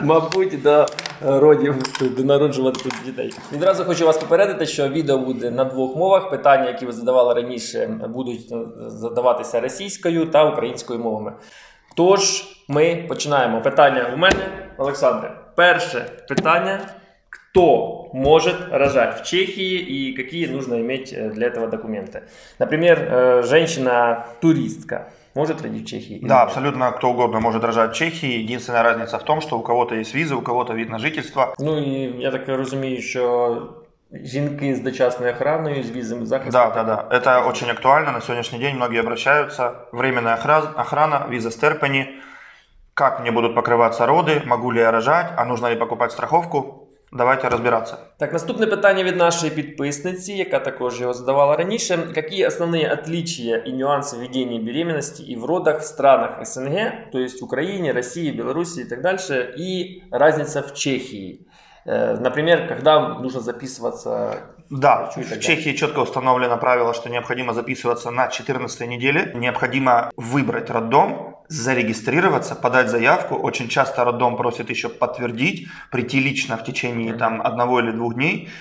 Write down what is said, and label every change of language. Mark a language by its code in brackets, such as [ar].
[uk] Мабуть, до родів, до народжувати тут дітей. Відразу хочу вас попередити, що відео буде на двох мовах. Питання, які ви задавали раніше, будуть задаватися російською та українською мовами. Тож, ми починаємо. Питання у мене, Олександре. Перше питання. [ru] Кто может рожать в Чехии и какие нужно иметь для этого документы? Например, женщина-туристка может родить в Чехии? Да, нет? Абсолютно кто угодно может рожать в Чехии. Единственная разница в том, что у кого-то есть виза, у кого-то вид на жительство. Ну и я так разумею, что жінки с дочасною охраной, с визами захисту. Да, да, да. Это очень актуально. На сегодняшний день многие обращаются. Временная охрана, виза стерпені. Как мне будут покрываться роды? Могу ли я рожать? А нужно ли покупать страховку? Давайте разбираться. [uk] Так, наступне питання від нашої підписниці, яка також його задавала раніше. Які основні отличия і нюанси ведення беременності і в родах [ru] в странах СНГ, [uk] тобто в Україні, Росії, Білорусі і так далі, і різниця в Чехії? [ru] Например, когда нужно записываться? Да, в Чехии четко установлено правило, что необходимо записываться на 14-й неделе. Необходимо выбрать роддом, зарегистрироваться, подать заявку. Очень часто роддом просит еще подтвердить, прийти лично в течение там, одного или двух дней.